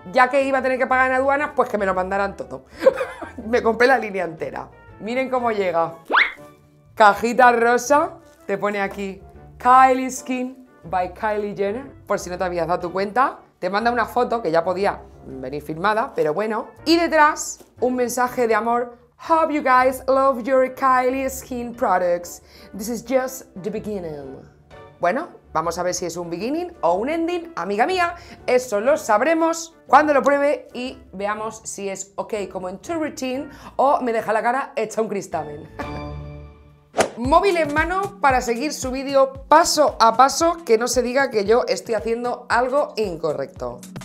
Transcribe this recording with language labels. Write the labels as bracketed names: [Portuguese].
[Spanish] Ya que iba a tener que pagar en aduanas, pues que me lo mandaran todo. Me compré la línea entera. Miren cómo llega. Cajita rosa, te pone aquí Kylie Skin by Kylie Jenner, por si no te habías dado tu cuenta. Te manda una foto que ya podía venir firmada, pero bueno. Y detrás, un mensaje de amor. [English] Hope you guys love your Kylie Skin products. This is just the beginning. [Spanish] Bueno, vamos a ver si es un beginning o un ending, amiga mía. Eso lo sabremos cuando lo pruebe y veamos si es ok como en tu routine o me deja la cara hecha un cristamen. Móvil en mano para seguir su vídeo paso a paso, que no se diga que yo estoy haciendo algo incorrecto.